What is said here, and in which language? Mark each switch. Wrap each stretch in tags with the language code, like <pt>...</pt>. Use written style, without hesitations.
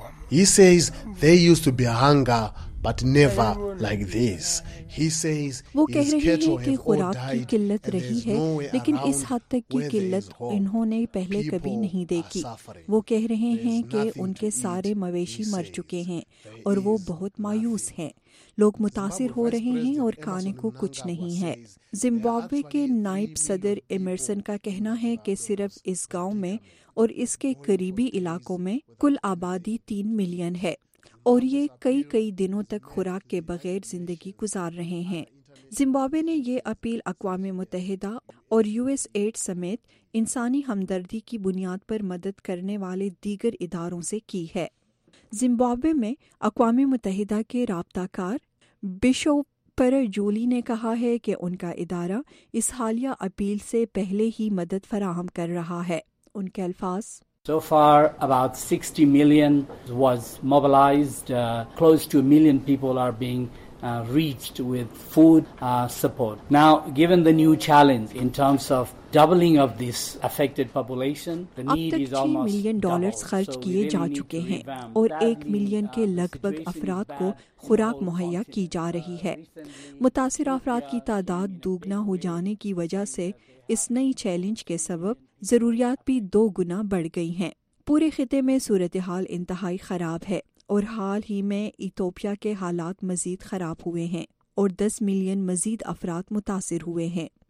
<en>He says there used to be hunger but never like this. He says</en> <ur>وہ کہہ رہے ہیں کہ خوراک کی قلت رہی ہے، لیکن اس حد تک کی قلت انہوں نے پہلے کبھی نہیں دیکھی۔ وہ کہہ رہے ہیں کہ ان کے سارے مویشی مر چکے ہیں اور وہ بہت مایوس ہیں۔ لوگ متاثر ہو رہے ہیں اور کھانے کو کچھ نہیں ہے۔ زمبابوے کے نائب صدر ایمرسن کا کہنا ہے کہ صرف اس گاؤں میں اور اس کے قریبی علاقوں میں کل آبادی 3 ملین ہے، اور یہ کئی کئی دنوں تک خوراک کے بغیر زندگی گزار رہے ہیں۔ زمبابوے نے یہ اپیل اقوام متحدہ اور یو ایس ایڈ سمیت انسانی ہمدردی کی بنیاد پر مدد کرنے والے دیگر اداروں سے کی ہے۔ زمبابوے میں اقوام متحدہ کے رابطہ کار بشو پر جولی نے کہا ہے کہ ان کا ادارہ اس حالیہ اپیل سے پہلے ہی مدد فراہم کر رہا ہے۔ ان کے الفاظ،</ur> <en>So far about 60 million was mobilized, close to a million people are being reached with food support. Now given the new challenge in terms of doubling of this affected population, the need is almost doubled.</en> <ur>اب تک 6 million dollars خرچ کیے جا چکے ہیں اور 1 million کے لگ بھگ افراد کو خوراک مہیا کی جا رہی ہے۔ متاثر افراد کی تعداد دوگنا ہو جانے کی وجہ سے اس نئی چیلنج کے سبب ضروریات بھی 2 گنا بڑھ گئی ہیں۔ پورے خطے میں صورتحال انتہائی خراب ہے، اور حال ہی میں ایتھوپیا کے حالات مزید خراب ہوئے ہیں اور 10 ملین مزید افراد متاثر ہوئے ہیں۔</ur>